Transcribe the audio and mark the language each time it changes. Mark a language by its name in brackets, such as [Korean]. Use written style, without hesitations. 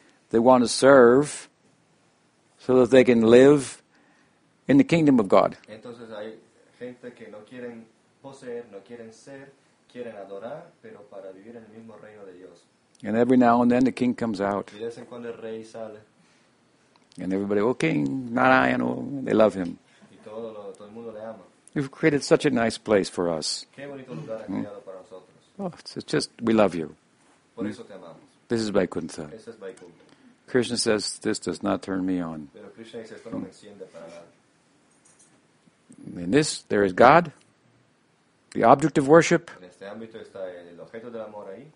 [English] They want to serve, so that they can live in the kingdom of God. [Spanish] Entonces hay gente que no quieren poseer, no quieren ser, quieren adorar, pero para vivir en el mismo reino de Dios. [English] And every now and then the king comes out. [Spanish] Y de vez en cuando el rey sale. [English] And everybody, oh king, Narayan, oh, they love him. [Spanish] Y todo el mundo le ama. [English] You've created such a nice place for us. [Spanish] Qué bonito lugar ha creado para nosotros. [English] Oh, it's just, we love you. [Spanish] Por eso te amamos. [English] This is Vaikuntha. [Spanish] Eso es Vaikuntha. [English] Krishna says, this does not turn me on. [Spanish] Pero Krishna dice, esto no me enciende para nada. [English] In this, there is God, the object of worship. [Spanish] En este ámbito está el objeto del amor ahí.